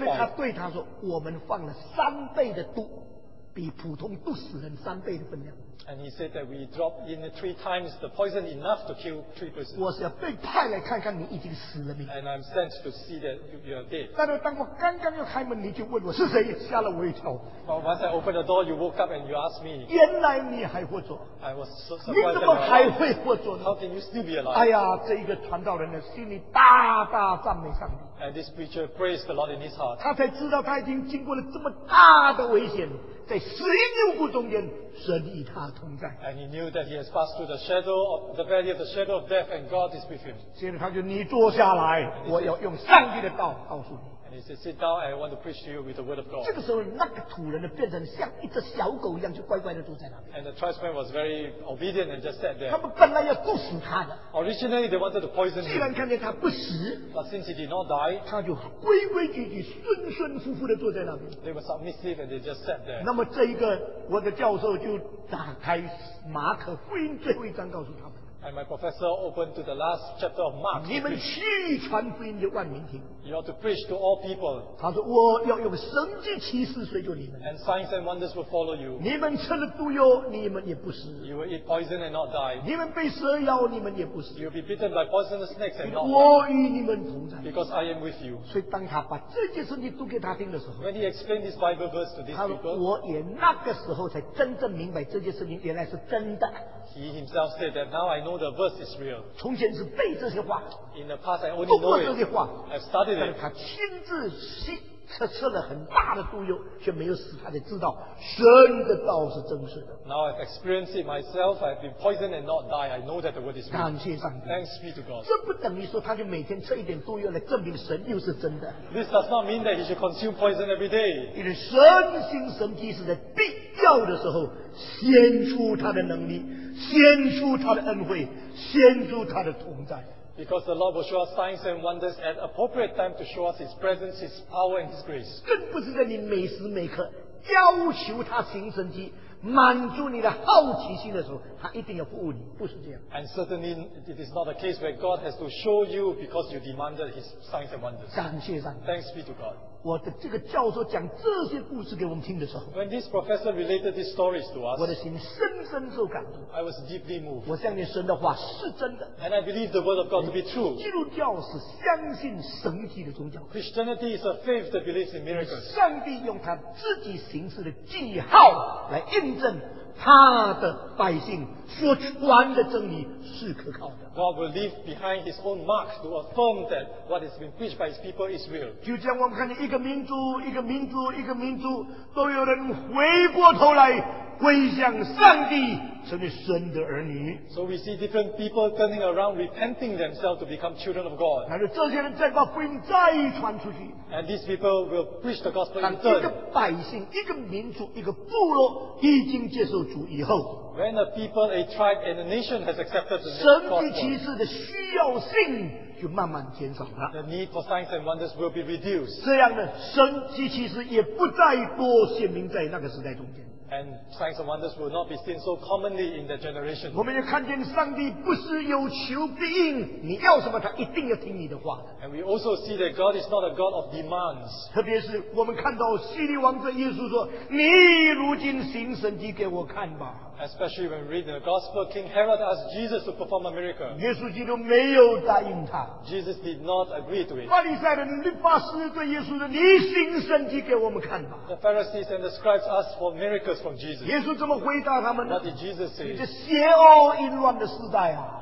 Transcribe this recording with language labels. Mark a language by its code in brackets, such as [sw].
[zh] 后来他对他说，我们放了三倍的毒，比普通毒死人三倍的分量。 [en] And he said that we drop in three times the poison enough to kill three persons. [zh] 我是要被派来看看你已经死了没。 [en] And I'm sent to see that you are dead. [zh] 但是当我刚刚要开门，你就问我是谁，吓了我一跳。 [en] But once I opened the door, you woke up and you asked me. [zh] 原来你还活着。 [en] I was so surprised. [zh] 你怎么还会活着呢？ [en] How can you still be alive? [zh] 哎呀，这一个传道人的心里大大赞美上帝。 [en] And this preacher praised the Lord in his heart. [zh] 他才知道他已经经过了这么大的危险。在死荫幽谷中间，神与他同在。 [en] And he knew that he has passed through the shadow of the valley of the shadow of death, and God is with him. [zh] 现在他就你坐下来，我要用上帝的道告诉你。 [en] And he said, "Sit down, I want to preach to you with the word of God." [zh] 这个时候，那个土人呢，变成像一只小狗一样，就乖乖的坐在那里。 [en] And the tribesman was very obedient and just sat there. [zh] 他们本来要毒死他的。 [en] Originally, they wanted to poison him. [zh] 既然看见他不死 [en] ，But since he did not die, [zh] 他就规规矩矩、顺顺服服的坐在那里。 [en] They were submissive and they just sat there. [zh] 那么这一个我的教授就打开马可福音最后一章，告诉他们。 [en] And my professor opened to the last chapter of Mark. [zh] 你们去传福音给万民听。 [en] You ought to preach to all people. [zh] 他说我要用神迹奇事随着你们。 [en] And signs and wonders will follow you. [zh] 你们吃了毒药，你们也不死。 [en] You will eat poison and not die. [zh] 你们被蛇咬，你们也不死。 [en] You will be bitten by poisonous snakes and not die. [zh] 我与你们同在。 [en] Because I am with you. [zh] 所以当他把这些圣经读给他听的时候 [en] ，When he explained this Bible verse to these people, [zh] 他说我也那个时候才真正明白这些圣经原来是真的。 [en] He himself said that now I know the verse is real. [zh] 从前是背这些话。 [en] In the past, I only know it. [zh] 读过这些话。 [en] I've studied it. [zh] 但是他亲自吃了很大的毒药，却没有死，他才知道神的道是真实的。 [en] Now I've experienced it myself. I've been poisoned and not die. I know that the word is real. [zh] 感谢上帝。 [en] Thanks be to God. [zh] 这不等于说他就每天吃一点毒药来证明神又是真的。 [en] This does not mean that he should consume poison every day. [zh] 因为神行神迹是在必要的时候显出他的能力。显出他的恩惠，显出他的同在。 [en] Because the Lord will show us signs and wonders at appropriate time to show us His presence, His power, and His grace. [zh] 更不是在你每时每刻要求他行神迹，满足你的好奇心的时候，他一定要服务你，不是这样。 [en] And certainly, it is not a case where God has to show you because you demanded His signs and wonders. [zh] 感谢上帝。 [en] Thanks be to God. [zh] 我的这个教授讲这些故事给我们听的时候 [en] ，When this professor related these stories to us， [zh] 我的心深深受感动。 [en] I was deeply moved。 [zh] 我相信神的话是真的。 [en] And I believe the word of God to be true。 [zh] 基督教是相信神迹的宗教。 [en] Christianity is a faith that believes in miracles。 [zh] 上帝用他自己形式的记号来印证他的百姓所传的真理是可靠的。 [en] God will leave behind His own mark to affirm that what has been preached by His people is real. [zh] 就像我们看见一个民族、一个民族、一个民族，都有人回过头来归向上帝，成为神的儿女。 [en] So we see different people turning around, repenting themselves to become children of God. [zh] 然后这些人再把福音再传出去。 [en] And these people will preach the gospel in turn. [zh] 一个百姓、一个民族、一个部落已经接受主以后。 [en] When a people, a tribe, and a nation has accepted the gospel, [zh] 神迹奇事的需要性就慢慢减少了。 [en] The need for signs and wonders will be reduced. [zh] 这样呢，神迹奇事也不再多显明在那个时代中间。 [en] and signs and wonders will not be seen so commonly in that generation. [zh] 我们也看见上帝不是有求必应，你要什么他一定要听你的话。 [en] And we also see that God is not a God of demands. [zh] 特别是我们看到西律王这耶稣说，你如今行神迹给我看吧。 [en] Especially when we read the Gospel, King Herod asked Jesus to perform a miracle. [zh] 耶稣基督没有答应他。 [en] Jesus did not agree to it. [zh] 巴利赛人律法师对耶稣说，你行神迹给我们看吧。 [en] The Pharisees and the scribes asked for miracles from Jesus. [zh] 耶稣怎么回答他们？ [en] What did Jesus say? [zh] 你这邪恶淫乱的时代啊！